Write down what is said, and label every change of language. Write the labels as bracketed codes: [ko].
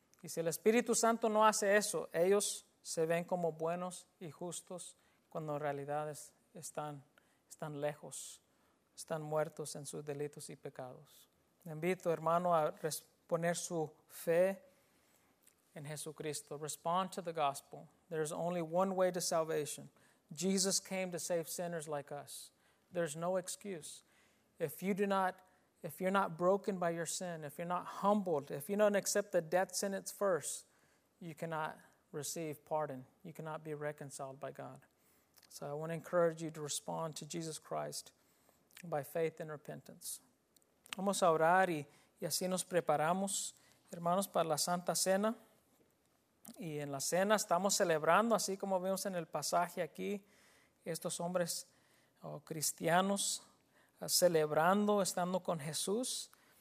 [es] Y si el Espíritu Santo no hace eso, ellos se ven como buenos y justos cuando en realidad están lejos, están muertos en sus delitos y pecados. Me invito, hermano, a poner su fe en Jesucristo. [en] Respond to the gospel. There's only one way to salvation. Jesus came to save sinners like us. There's no excuse. If you do not, if you're not broken by your sin, if you're not humbled, if you don't accept the death sentence first, you cannot receive pardon. You cannot be reconciled by God. So I want to encourage you to respond to Jesus Christ by faith and repentance. [es] Vamos a orar y así nos preparamos, hermanos, para la Santa Cena. Y en la cena estamos celebrando, así como vemos en el pasaje aquí, estos hombres cristianos celebrando, estando con Jesús.